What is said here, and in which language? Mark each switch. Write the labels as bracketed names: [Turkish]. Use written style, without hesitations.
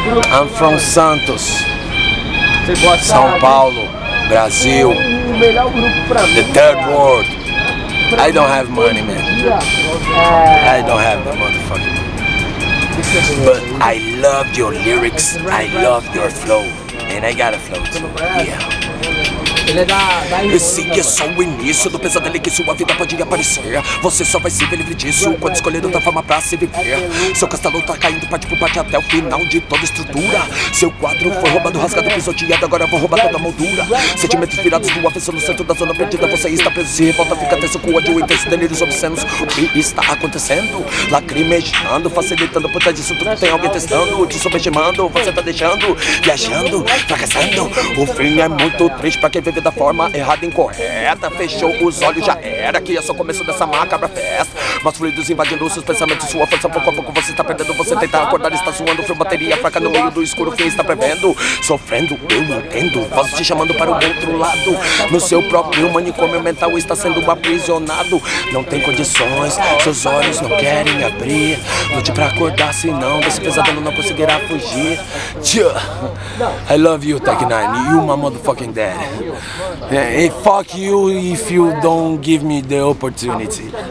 [English] I'm from Santos, São Paulo, Brazil, the third world. I don't have money, man. I don't have the motherfucking money. But I love your lyrics, I love your flow. And I got a flow too, yeah. [Portuguese] Eu sei que é só o início do pesadelo que sua vida pode aparecer. Você só vai se ver livre disso quando escolher outra forma pra se viver. Seu castelo tá caindo parte por parte até o final de toda a estrutura. Seu quadro foi roubado, rasgado, pisoteado, agora eu vou roubar toda a moldura. Sentimentos virados do avesso no centro da zona perdida. Você está preso, se revolta, fica tenso com ódio, intenso, delírios obscenos. O que está acontecendo? Lacrimejando, facilitando, por trás disso tudo tem alguém testando. Te subestimando, você tá deixando, viajando, fracassando. O fim é muito triste pra quem vive da forma errada, incorreta. Fechou os olhos, já era. Que é só o começo dessa macabra festa. Mas fluidos invadindo seus pensamentos, sua força pouco a pouco você está perdendo. Você tenta acordar, está zoando. Frio, bateria fraca no meio do escuro. Quem está prevendo? Sofrendo, eu entendo. Voz te chamando para o outro lado. No seu próprio manicômio mental está sendo aprisionado. Não tem condições, seus olhos não querem abrir. Lute pra acordar, senão desse pesadelo não conseguirá fugir. [English] Tchau. I love you, Tech Nine. You my motherfucking daddy. Yeah, and fuck you if you don't give me the opportunity.